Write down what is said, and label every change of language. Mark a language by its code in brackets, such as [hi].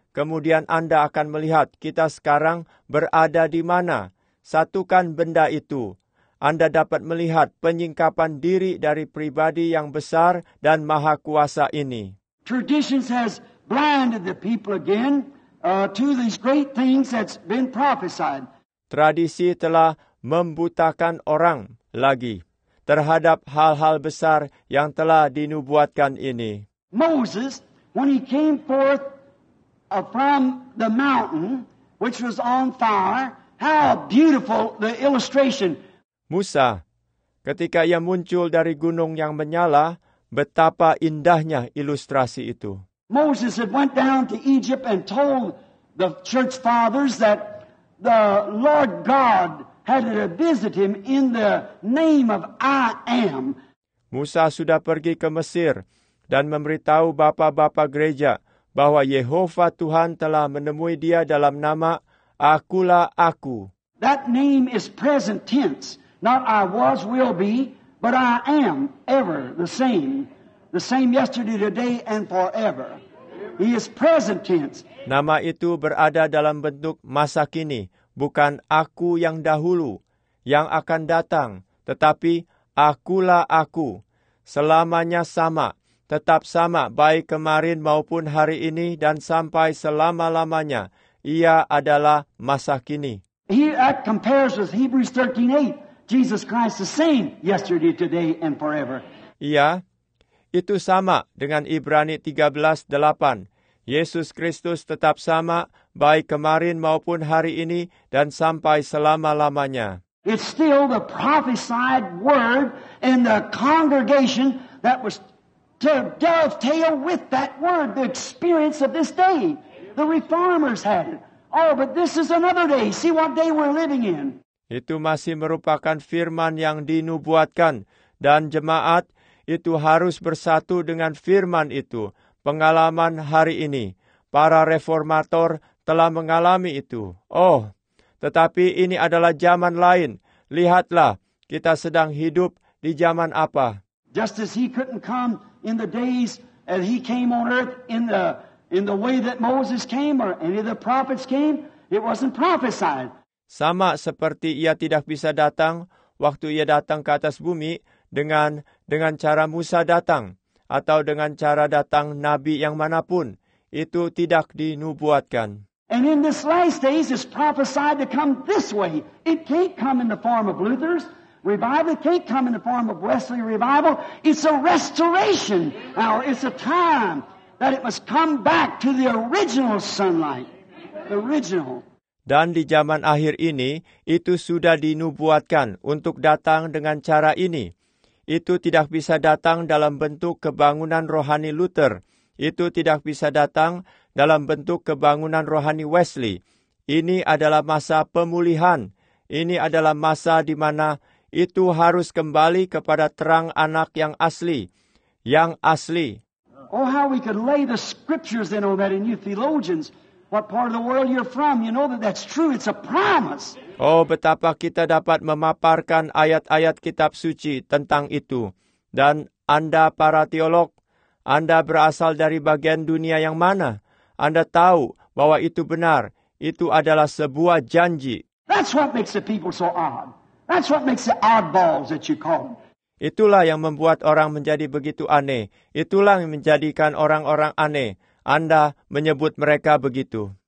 [id] Kemudian Anda akan melihat kita sekarang berada di mana. Satukan benda itu. Anda dapat melihat penyingkapan diri dari pribadi yang besar dan maha kuasa ini. [en] Traditions has blinded the people again to these great things that's been prophesied. [id] Tradisi telah membutakan orang lagi terhadap hal-hal besar yang telah dinubuatkan ini. [en] Moses, when he came forth from the mountain, which was on fire, how beautiful the illustration. [id] Musa, ketika ia muncul dari gunung yang menyala, betapa indahnya ilustrasi itu. [en] Moses had went down to Egypt and told the church fathers that the Lord God had to visit him in the name of I am. [id] Musa sudah pergi ke Mesir dan memberitahu bapa-bapa gereja bahwa Yehova Tuhan telah menemui dia dalam nama Akulah Aku. [en] That name is present tense, not I was, will be, but I am ever the same yesterday, today, and forever. He is present tense. [id] Nama itu berada dalam bentuk masa kini, bukan aku yang dahulu, yang akan datang, tetapi Akulah Aku, selamanya sama, tetap sama, baik kemarin maupun hari ini dan sampai selama-lamanya. Ia adalah masa kini. [en] That compares with Hebrews 13:8. Jesus Christ the same yesterday, today, and forever. [id] Ia itu sama dengan Ibrani 13:8. Yesus Kristus tetap sama, baik kemarin maupun hari ini dan sampai selama-lamanya. [en] It's still the prophesied word in the congregation that was to dovetail with that word, the experience of this day. The reformers had it. Oh, but this is another day. See what day we're living in. [id] Itu masih merupakan firman yang dinubuatkan. Dan jemaat itu harus bersatu dengan firman itu. Pengalaman hari ini. Para reformator telah mengalami itu. Oh, tetapi ini adalah zaman lain. Lihatlah, kita sedang hidup di zaman apa? [en] Just as he couldn't come in the days as he came on earth in the way that Moses came or any of the prophets came, it wasn't prophesied. [id] Sama seperti ia tidak bisa datang waktu ia datang ke atas bumi dengan cara Musa datang atau dengan cara datang nabi yang manapun, itu tidak dinubuatkan. [en] And in this last days, it's prophesied to come this way. It can't come in the form of Luther's revival. It can't come in the form of Wesley revival. It's a restoration. Now, it's a time that it must come back to the original sunlight. The original. [id] Dan di zaman akhir ini, itu sudah dinubuatkan untuk datang dengan cara ini. Itu tidak bisa datang dalam bentuk kebangunan rohani Luther. Itu tidak bisa datang dalam bentuk kebangunan rohani Wesley. Ini adalah masa pemulihan. Ini adalah masa di mana itu harus kembali kepada terang anak yang asli. Yang asli. [en] Oh, how we could lay the scriptures in on that in you theologians. What part of the world you're from, you know that that's true. It's a promise. [id] Oh, betapa kita dapat memaparkan ayat-ayat kitab suci tentang itu. Dan Anda para teolog, Anda berasal dari bagian dunia yang mana? Anda tahu bahwa itu benar. Itu adalah sebuah janji. [en] That's what makes the people so odd. That's what makes the oddballs that you call them. [id] Itulah yang membuat orang menjadi begitu aneh. Itulah yang menjadikan orang-orang aneh. Anda menyebut mereka begitu.